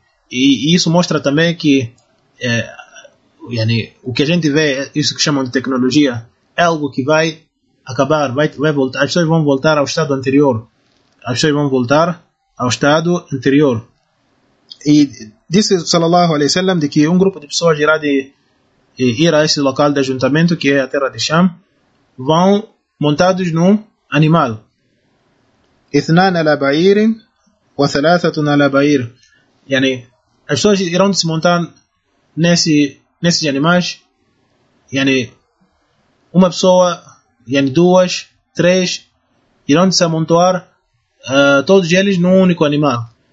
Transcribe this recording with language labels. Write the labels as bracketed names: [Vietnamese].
[Portuguese] E isso mostra também que o que a gente vê, isso que chamam de tecnologia, é algo que vai acabar, vai voltar, as pessoas vão voltar ao estado anterior. As pessoas vão voltar ao estado anterior. E disse sallallahu alaihi wasallam de que um grupo de pessoas irá ir a esse local de ajuntamento, que é a terra de Sham, vão montados num animal. [Arabic] اثنان على بعير وثلاثة على بعير. [Portuguese] Yani, as pessoas irão se montar nesses animais. Yani, uma pessoa, yani, duas, três, irão se amontoar todos eles num único animal.